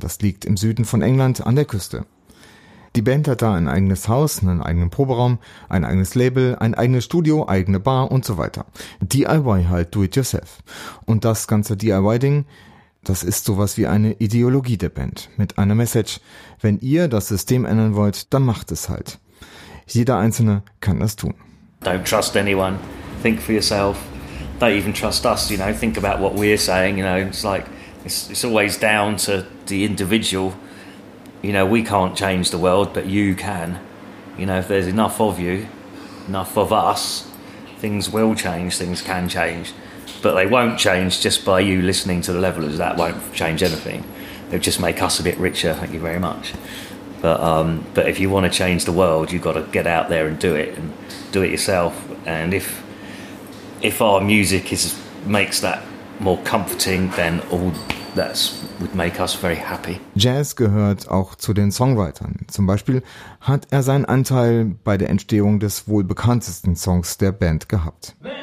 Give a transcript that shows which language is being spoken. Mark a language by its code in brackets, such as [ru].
[de] Das liegt im Süden von England an der Küste. Die Band hat da ein eigenes Haus, einen eigenen Proberaum, ein eigenes Label, ein eigenes Studio, eigene Bar und so weiter. DIY halt, [en] do it yourself. [de] Und das ganze DIY-Ding, das ist sowas wie eine Ideologie der Band mit einer Message. Wenn ihr das System ändern wollt, dann macht es halt. Jeder Einzelne kann das tun. [en] Don't trust anyone. Think for yourself. Don't even trust us, you know, think about what we're saying, you know, it's like, it's always down to the individual, you know, we can't change the world, but you can, you know, if there's enough of you, enough of us, things will change, things can change, but they won't change just by you listening to the Levelers, that won't change anything, it'll just make us a bit richer, thank you very much, but if you want to change the world, you've got to get out there and do it yourself, and if our music makes that more comforting, then all that would make us very happy. [de] Jazz gehört auch zu den Songwritern. Zum Beispiel hat er seinen Anteil bei der Entstehung des wohl bekanntesten Songs der Band gehabt.